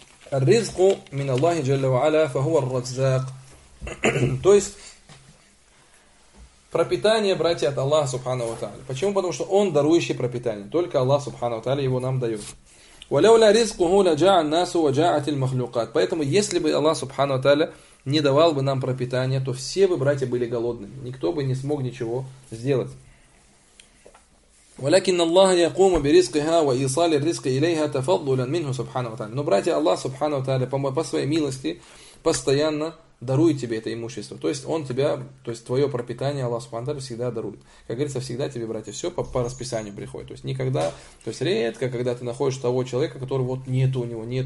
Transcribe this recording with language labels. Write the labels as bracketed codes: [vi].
[ar] Ар-ризку мин Аллахи джалля ва аля, фа хуа ар-раззак. [ru] То есть пропитание, братья, от Аллаха Субхана ва тааля. Почему? Потому что он дарующий пропитание. Только Аллах Субхана ва тааля его нам дает. [ar] Ва ляу ля ризкуху ля джаа ан-насу ва джаа ат-ль-махлюкат. [ru] Поэтому если бы Аллах Субхана ва тааля не давал бы нам пропитание, то все бы, братья, были голодными. Никто бы не смог ничего сделать. [ar] ولكن الله يقوم برزقها وإيصال الرزق إليها تفضلا منه سبحانه وتعالى. [ru] Но братья, Аллах Субхану Тааля по своей милости постоянно дарует тебе это имущество. То есть он тебя, то есть твое пропитание Аллах Субхану Тааля всегда дарует. Как говорится, всегда тебе, братья, все по расписанию приходит. То есть никогда, то есть редко, когда ты находишь того человека, который вот нет у него.